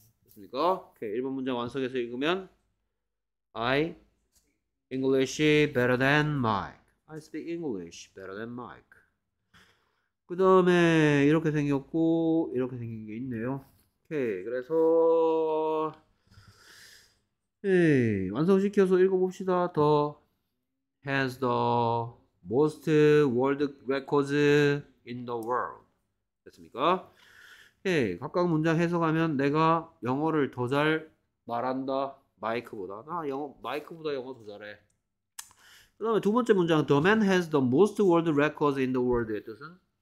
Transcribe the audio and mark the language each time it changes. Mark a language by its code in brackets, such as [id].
[ko] 됐습니까? 오케이, 1번 문장 완성해서 읽으면 [en] I English better than Mike. I speak English better than Mike. [ko] 그 다음에 이렇게 생겼고 이렇게 생긴 게 있네요. 오케이, 그래서 오케이, 완성시켜서 읽어봅시다. [en] The has the most world records in the world. [ko] 됐습니까? 예, 각각 문장 해석하면 내가 영어를 더잘 말한다. 마이크보다. 나 영어, 마이크보다 영어 더 잘해. 그 다음에 두 번째 문장. [en] The man has the most world records in the world의 [ko] 뜻은?